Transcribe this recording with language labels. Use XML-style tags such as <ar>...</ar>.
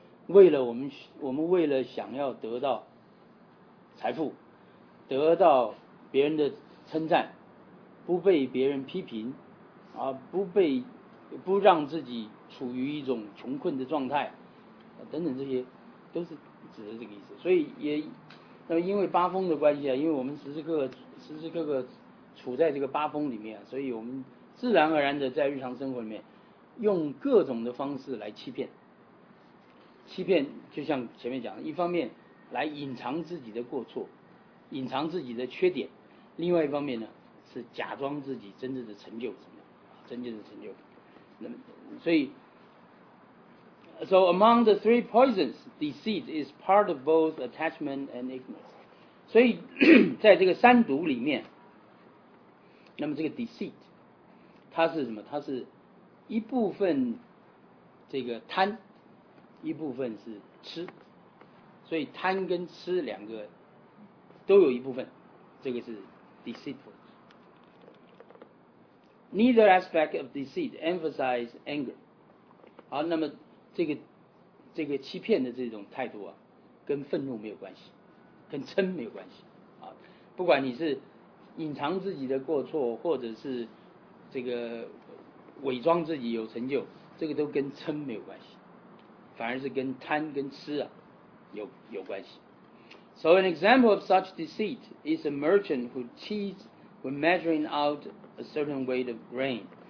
<zh>为了我们为了想要得到财富，得到别人的称赞，不被别人批评，啊，不让自己处于一种穷困的状态，啊，等等，这些都是指的这个意思。所以也，那么因为八风的关系啊，因为我们时时刻刻处在这个八风里面，所以我们自然而然的在日常生活里面用各种的方式来欺骗。欺骗就像前面讲的，一方面来隐藏自己的过错，隐藏自己的缺点，另外一方面呢是假装自己真正的成就什么，真正的成就。那么所以</zh> <en>So among the three poisons, deceit is part of both attachment and ignorance.</en> <zh>所以在这个三毒里面，那么这个 deceit 它是什么，它是一部分这个贪，一部分是吃，所以贪跟吃两个都有一部分，这个是 deceitful。</zh> <en>Neither aspect of deceit emphasize anger。</en> <zh>好，那么这个欺骗的这种态度啊，跟愤怒没有关系，跟嗔没有关系啊。不管你是隐藏自己的过错，或者是这个伪装自己有成就，这个都跟嗔没有关系，反而是跟贪跟吃啊有关系。</zh> <en>So an example of such deceit is a merchant who cheats when measuring out a certain weight of grain.</en>